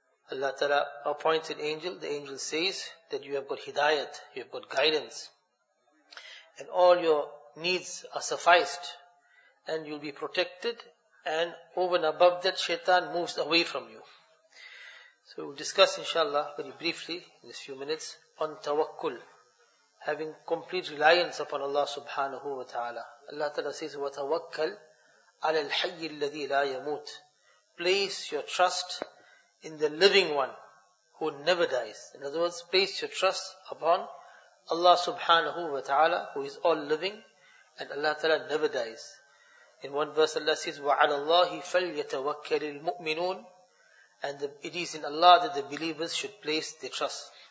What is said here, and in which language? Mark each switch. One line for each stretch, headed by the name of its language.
English: Allah Ta'ala appoints an angel. The angel says that you have got hidayat, you have got guidance, and all your needs are sufficed, and you'll be protected. And over and above that, shaitan moves away from you. So we'll discuss, inshallah, very briefly, in this few minutes, on tawakkul, having complete reliance upon Allah subhanahu wa ta'ala.
Arabic: Allah Ta'ala says, وَتَوَكَّلْ عَلَى الْحَيِّ الَّذِي لَا يَمُوتْ.
English: Place your trust in the living one who never dies. In other words, place your trust upon Allah subhanahu wa ta'ala, who is all living, and Allah Ta'ala never dies. In one verse, Allah says,
Arabic: وَعَلَى اللَّهِ فَلْيَتَوَكَّلِ الْمُؤْمِنُونَ,
English: and it is in Allah that the believers should place their trust.